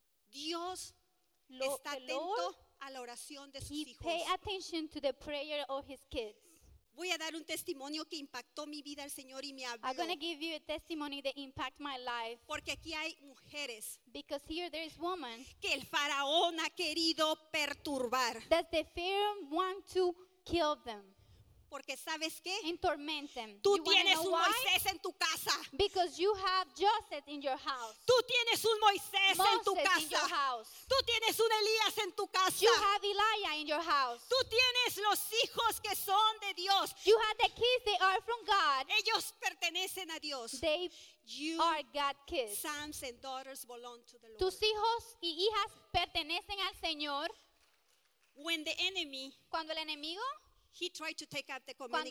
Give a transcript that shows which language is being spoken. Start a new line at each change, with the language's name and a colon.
Spanish: Dios está atento a la oración de sus hijos.
English: He pay attention to the prayer of his kids.
Spanish: Voy a dar un testimonio que impactó mi vida al Señor y me abrió.
English: I'm going to give you a testimony that impact my life.
Spanish: Porque aquí hay mujeres.
English: Because here there is women.
Spanish: Que el faraón ha querido perturbar.
English: That the pharaoh want to kill them.
Spanish: Porque sabes qué?
English: And torment them.
Spanish: Tú tienes un Moisés en tu casa.
English: Because you have Joseph in your house.
Spanish: Tú tienes un Moisés en tu casa.
English: In your house.
Spanish: Tú tienes un Elías en tu casa.
English: You have Elijah in your house.
Spanish: Tú tienes los hijos que son de Dios.
English: You have the kids that are from God.
Spanish: Ellos pertenecen a Dios.
English: They are God's kids. Sons and daughters belong to the Lord.
Spanish: Tus hijos y hijas pertenecen al Señor.
English: When the enemy.
Spanish: Cuando el enemigo.
English: He tried to take out the communication.